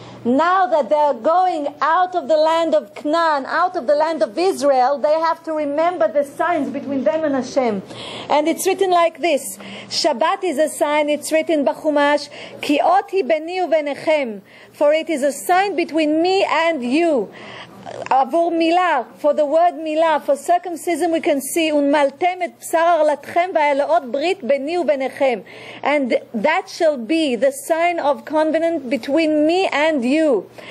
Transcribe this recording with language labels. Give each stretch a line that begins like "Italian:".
English: Now that they are going out of the land of Canaan, out of the land of Israel, they have to remember the signs between them and Hashem. And it's written like this. Shabbat is a sign, it's written Bachumash,
Hebrew: Ki oti beni uvenechem,
English: for it is a sign between me and you.
Hebrew: עבור מילה,
English: for the word
Hebrew: מילה,
English: for circumcision we can see,
Hebrew: ומלתם את בשר ערלתכם והעלאות ברית ביני וביניכם.
English: And that shall be the sign of covenant between me and you.